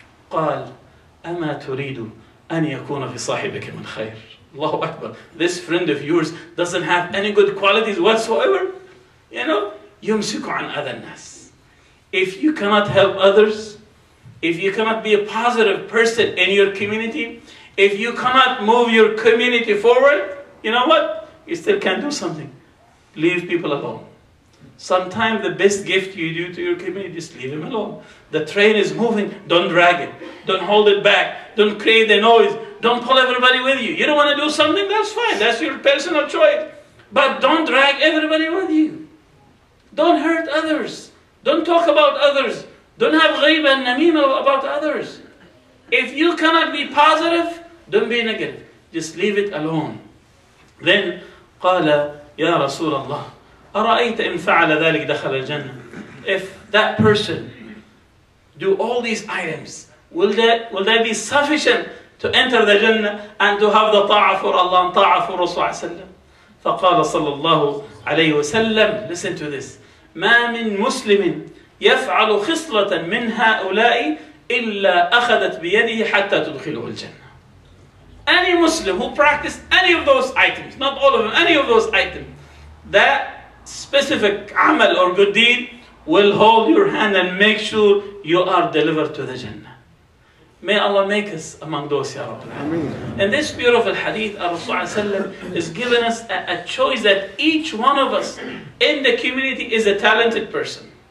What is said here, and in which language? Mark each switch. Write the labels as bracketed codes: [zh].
[ar] قال أما تريد أن يكون في صاحبك من خير. Allahu Akbar. [en] This friend of yours doesn't have any good qualities whatsoever. You know, [ar] يمسكوا عن أذى الناس. [en] If you cannot help others, if you cannot be a positive person in your community, if you cannot move your community forward, you know what? You still can do something. Leave people alone. Sometimes the best gift you do to your community is leave them alone. The train is moving. Don't drag it. Don't hold it back. Don't create the noise. Don't pull everybody with you. You don't want to do something? That's fine. That's your personal choice. But don't drag everybody with you. Don't hurt others. Don't talk about others. Don't have ghibah and namima about others. If you cannot be positive, don't be negative. Just leave it alone. Then, [ar] قال يا رسول الله أرأيت إن فعل ذلك دخل الجنة. [en] If that person do all these items, will that be sufficient to enter the Jannah and to have the ta'a for Allah and ta'a for Rasulullah sallam? [ar] فقال صلى الله عليه وسلم, [en] listen to this, [ar] ما من مسلم يفعل خصلة من هؤلاء إلا أخذت بيده حتى تدخله الجنة. [en] Any Muslim who practiced any of those items, not all of them, any of those items, that specific amal or good deed will hold your hand and make sure you are delivered to the Jannah. May Allah make us among those, Ya Rabbi. In this beautiful hadith, Rasulullah is giving us a choice that each one of us in the community is a talented person.